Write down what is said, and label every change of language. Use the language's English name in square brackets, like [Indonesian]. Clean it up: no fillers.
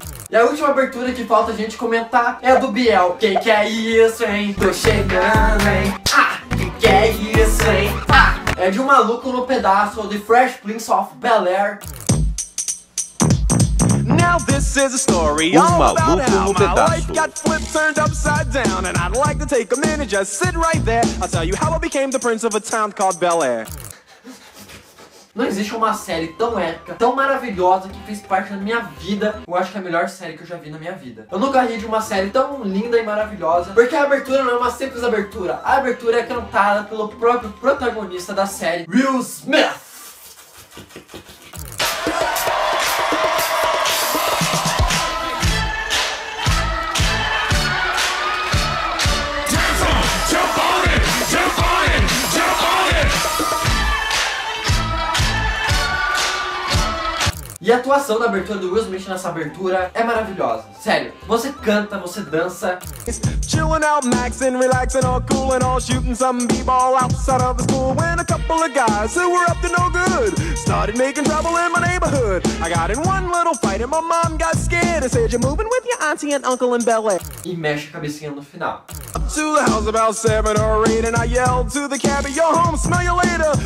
[Portuguese] E a última abertura que falta a gente comentar é a do Biel. Que é isso, hein? Tô chegando, hein? Ah! Que é isso, hein? Ah! É de um maluco no pedaço, de Fresh Prince of Bel-Air. [English] Now this is a story all about how my life got flipped, turned upside down. And I'd like to take a minute, just sit right there. I'll tell you how I became the prince of a town called Bel-Air. [Portuguese] Não existe uma série tão épica, tão maravilhosa, que fez parte da minha vida. Eu acho que é a melhor série que eu já vi na minha vida. Eu nunca ri de uma série tão linda e maravilhosa, porque a abertura não é uma simples abertura. A abertura é cantada pelo próprio protagonista da série, Will Smith. E a atuação da abertura do Will Smith nessa abertura é maravilhosa. Sério, você canta, você dança. [English] Chillin' out, maxin', relaxin', all coolin', all shootin' some b-ball outside of the school. When a couple of guys who were up to no good started making trouble in my neighborhood. I got in one little fight and my mom got scared and said you're moving with your auntie and uncle in Bel-Air. [Portuguese] E mexe a cabecinha no final. [English] Up to the house about 7 or 8 and I yelled to the cabbie, you're home, smell you later.